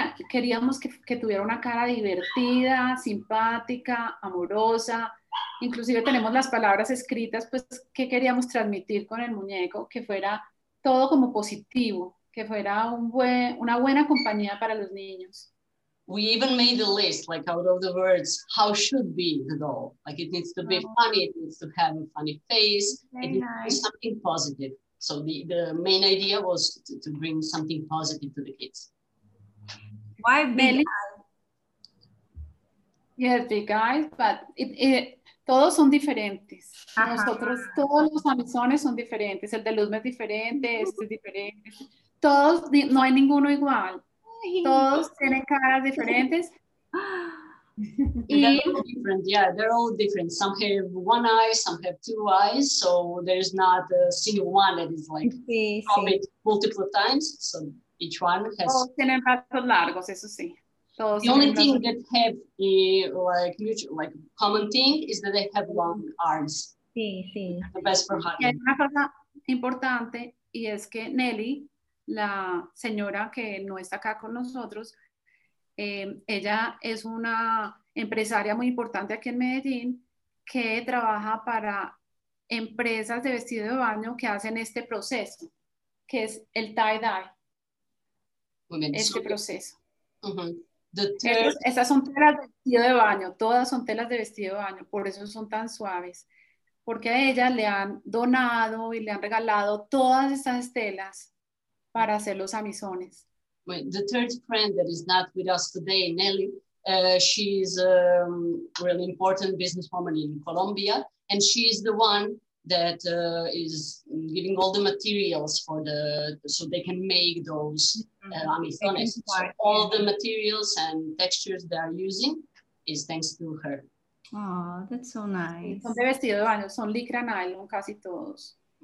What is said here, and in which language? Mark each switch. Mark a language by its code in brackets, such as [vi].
[es] Queríamos que tuviera una cara divertida, simpática, amorosa. Inclusive tenemos las palabras escritas, pues, que queríamos transmitir con el muñeco, que fuera todo como positivo, que fuera una buena compañía para los niños. [en] We even made a list, like out of the words, how should be the doll. Like it needs to be funny, it needs to have a funny face, it needs to be something positive. So the main idea was to bring something positive to the kids. Why big? Yes, big eyes, but [es] todos son diferentes. [en] Uh-huh. [es] Nosotros, todos los amizones son diferentes. El de Luzma es diferente, este es diferente. Todos, no hay ninguno igual. Todos tienen caras diferentes. [en] They're all different, yeah, they're all different. Some have one eye, some have two eyes, so there's not a single one that is like [es] sí. [en] Multiple times, so each one has... [es] Todos tienen brazos largos, eso sí. [en] The only thing that have a like mutual, like common thing is that they have long arms. [es] Sí, sí. [en] The best for hunting. [es] Y hay una cosa importante, y es que Nelly, la señora que no está acá con nosotros, ella es una empresaria muy importante aquí en Medellín que trabaja para empresas de vestido de baño que hacen este proceso, que es el tie-dye. Este proceso. Uh-huh. Estas son telas de vestido de baño, todas son telas de vestido de baño, por eso son tan suaves. Porque a ella le han donado y le han regalado todas estas telas para hacer los amizones. [en] Wait, the third friend that is not with us today, Nelly, she's a really important businesswoman in Colombia, and she is the one that is giving all the materials for the so they can make those amizones. So all the materials and textures they are using is thanks to her. Oh, that's so nice. [es] Son de vestido de baño, son licra nylon casi todos.